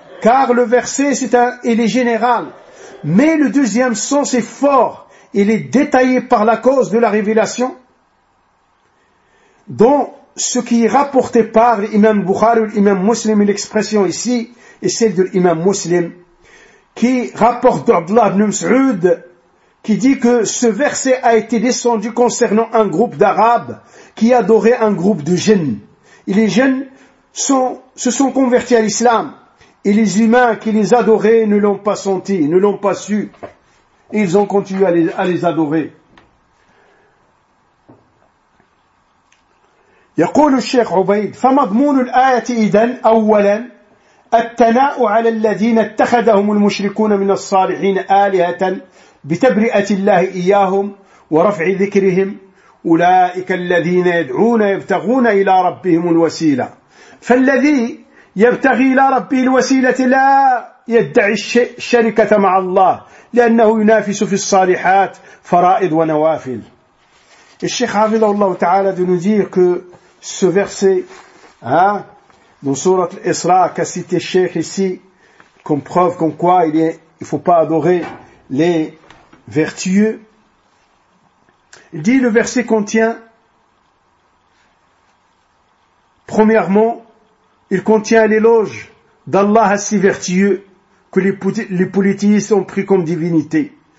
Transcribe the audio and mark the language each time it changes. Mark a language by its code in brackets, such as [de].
[fr] car le verset c'est un, il est général, mais le deuxième sens est fort, il est détaillé par la cause de la révélation, dont ce qui est rapporté par l'imam Bukhari, l'imam Muslim, l'expression ici est celle de l'imam Muslim, qui rapporte d'Abdullah ibn Mas'ud, qui dit que ce verset a été descendu concernant un groupe d'Arabes qui adorait un groupe de djinns. Et les djinns se sont convertis à l'islam. Et les humains qui les adoraient ne l'ont pas senti, ne l'ont pas su. Et ils ont continué à les adorer. [ar] يقول الشيخ عبيد فمضمون الآية إذن أولا التناء على الذين اتخذهم المشركون من الصالحين آلهة بتبرئة الله إياهم ورفع ذكرهم أولئك الذين يدعون يبتغون إلى ربهم الوسيلة فالذي يبتغي إلى ربه الوسيلة لا يدعي الشركة مع الله لأنه ينافس في الصالحات فرائض ونوافل. الشيخ حفظه الله تعالى نذير [fr] ce verset, hein, dans Sourate Al-Isra, qu'a cité Cheikh ici, comme preuve comme quoi il faut pas adorer les vertueux. Il dit, le verset contient, premièrement, il contient l'éloge d'Allah si vertueux que les polythéistes ont pris comme divinité.